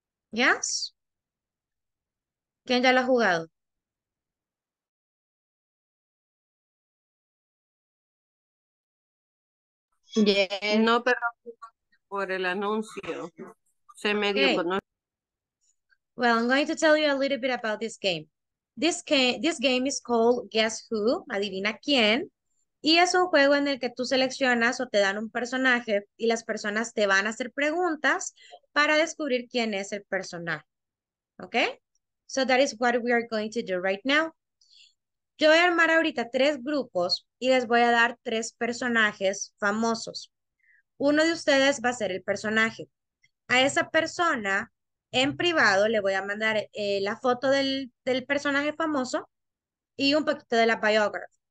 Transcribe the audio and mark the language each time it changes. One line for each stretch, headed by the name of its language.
Spanish: Yes. ¿Quién ya lo ha jugado?
English: Yes.
Spanish: No, pero por el anuncio se me dio okay. Con...
English: Well, I'm going to tell you a little bit about this game. This game is called Guess Who,
Spanish: adivina quién, y es un juego en el que tú seleccionas o te dan un personaje y las personas te van a hacer preguntas para descubrir quién es el personaje. Okay?
English: So that is what we are going to do right now.
Spanish: Yo voy a armar ahorita tres grupos y les voy a dar tres personajes famosos. Uno de ustedes va a ser el personaje. A esa persona, en privado, le voy a mandar la foto del personaje famoso y un poquito de la biografía.